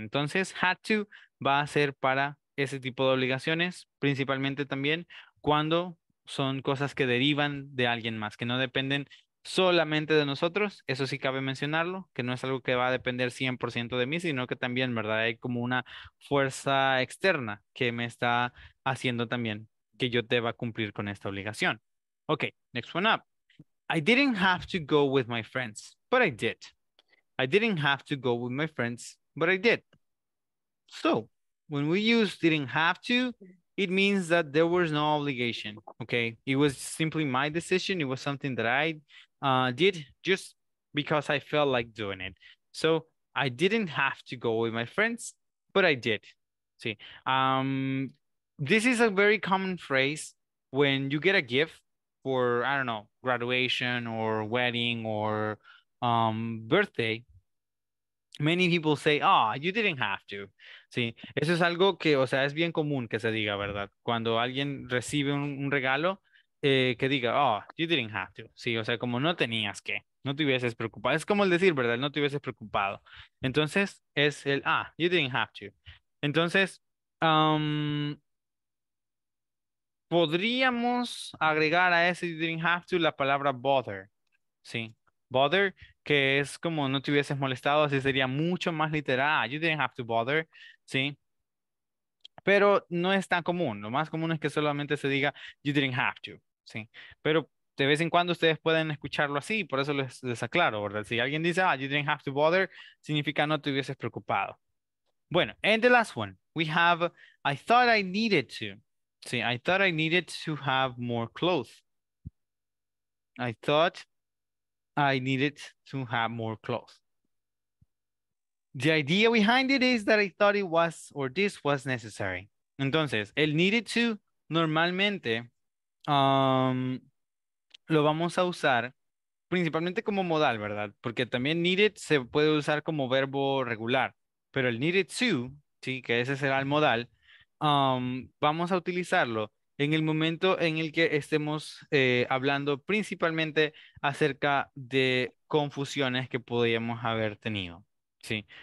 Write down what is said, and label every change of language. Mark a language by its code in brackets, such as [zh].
[es] Entonces, had to va a ser para ese tipo de obligaciones, principalmente también cuando son cosas que derivan de alguien más, que no dependen solamente de nosotros, eso sí cabe mencionarlo, que no es algo que va a depender 100% de mí, sino que también, ¿verdad? Hay como una fuerza externa que me está haciendo también que yo deba cumplir con esta obligación. [en] Okay, next one up. I didn't have to go with my friends, but I did. I didn't have to go with my friends, but I did. So, when we use didn't have to, it means that there was no obligation, okay? It was simply my decision. It was something that I did just because I felt like doing it. So I didn't have to go with my friends, but I did. See, this is a very common phrase when you get a gift for, I don't know, graduation or wedding or birthday. Many people say, oh, you didn't have to. [es] Sí, eso es algo que, o sea, es bien común que se diga, ¿verdad? Cuando alguien recibe un regalo, que diga, [en] oh, you didn't have to. [es] Sí, o sea, como no tenías que, no te hubieses preocupado. Es como el decir, ¿verdad? No te hubieses preocupado. Entonces, es el, ah, [en] you didn't have to. [es] Entonces, podríamos agregar a ese [en] you didn't have to [es] la palabra bother. Sí, bother, que es como no te hubieses molestado, así sería mucho más literal. [en] You didn't have to bother, [es] ¿sí? Pero no es tan común. Lo más común es que solamente se diga [en] you didn't have to, [es] ¿sí? Pero de vez en cuando ustedes pueden escucharlo así, por eso les aclaro, ¿verdad? Si alguien dice, ah, [en] you didn't have to bother, [es] significa no te hubieses preocupado. Bueno, [en] and the last one. We have, I thought I needed to. [es] ¿Sí? [en] I thought I needed to have more clothes. I thought I needed to have more clothes. The idea behind it is that I thought it was, or this was necessary. [es] Entonces, el needed to, normalmente, lo vamos a usar principalmente como modal, ¿verdad? Porque también needed se puede usar como verbo regular. Pero el needed to, ¿sí? Que ese será el modal, vamos a utilizarlo en el momento en el que estemos hablando principalmente acerca de confusiones que podríamos haber tenido, ¿sí?